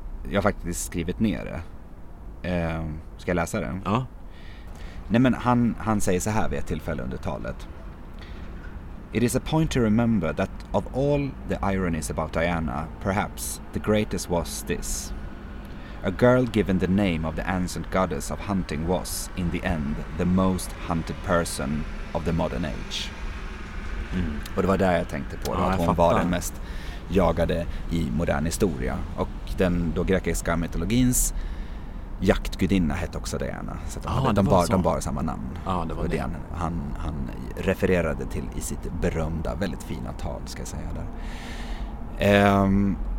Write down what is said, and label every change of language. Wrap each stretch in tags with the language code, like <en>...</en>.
<sv>Jag har faktiskt skrivit ner det. Ska jag läsa den? Ja. Nej, men han säger så här vid ett tillfälle under talet.</sv> <en>It is a point to remember that of all the ironies about Diana, perhaps the greatest was this. A girl given the name of the ancient goddess of hunting was, in the end, the most hunted person of the modern age.</en> <sv>Mm. Och det var där jag tänkte på. Ja, att hon var den mest jagade i modern historia, och den då grekiska mytologins jaktgudinna hette också Diana, så att de bar samma namn. Han refererade till i sitt berömda, väldigt fina tal, ska jag säga där.</sv>